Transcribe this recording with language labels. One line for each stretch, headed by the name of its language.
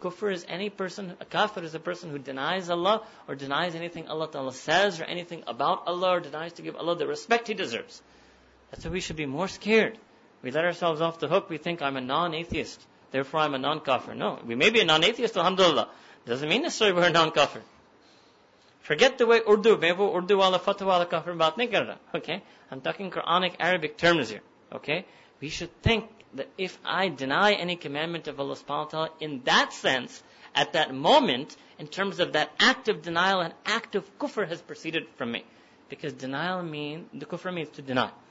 English: Kufr is any person, a kafir is a person who denies Allah or denies anything Allah ta'ala says or anything about Allah or denies to give Allah the respect He deserves. That's why we should be more scared. We let ourselves off the hook. We think, I'm a non-atheist, therefore I'm a non-kafir. No, we may be a non-atheist, alhamdulillah. Doesn't mean necessarily we're a non-kafir. Forget the way
Urdu: Urdu,
English: maybe
Urdu: Urdu والا فتویٰ والا کافر بات نہیں کر رہا.
English: Okay? I'm talking Quranic Arabic terms here. Okay? We should think that if I deny any commandment of Allah subhanahu wa ta'ala, in that sense, at that moment, in terms of that act of denial, an act of kufr has proceeded from me. Because denial means, the kufr means to deny.